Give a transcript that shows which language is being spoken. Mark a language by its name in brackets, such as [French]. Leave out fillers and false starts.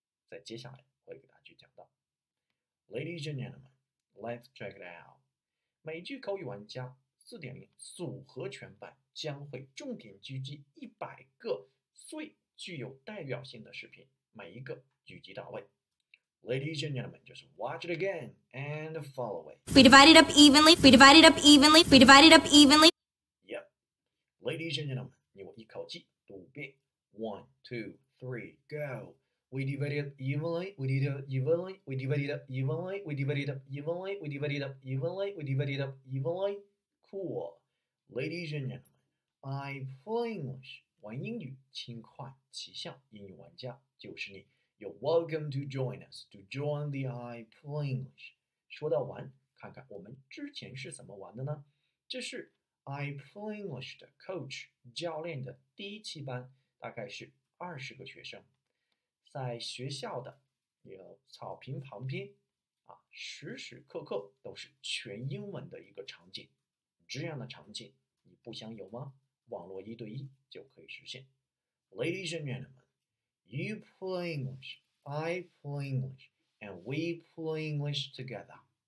[Chinese] 在接下来会给大家去讲到。 [English] Ladies and gentlemen, let's check it out. [Chinese] 美剧口语玩家 4.0 组合全版将会重点聚集100个最具有代表性的视频，每一个举及到位。 [English] Ladies and gentlemen, just watch it again and follow it. We divide it up evenly. We divide it up evenly. We divide it up evenly. Yep. Ladies and gentlemen, [Chinese] 你我一口气读遍。 [English] One, two, three, go. We divide it evenly. We divide it evenly. We divide it up evenly. We divide it up evenly. We divide it up evenly. We divide it up evenly. Cool. Ladies and gentlemen, I play English. [Chinese] 玩英语，轻快奇效，英语玩家就是你。 [English] You're welcome to join us, to join the iPlayEnglish. [Chinese] 说到玩，看看我们之前是怎么玩的呢？这是 iPlayEnglish 的 coach 教练的第一期班，大概是20个学生。在学校的有草坪旁边，时时刻刻都是全英文的一个场景。这样的场景，你不想有吗？网络一对一就可以实现。 [English] Ladies and gentlemen,You play English, I play English, and we play English together.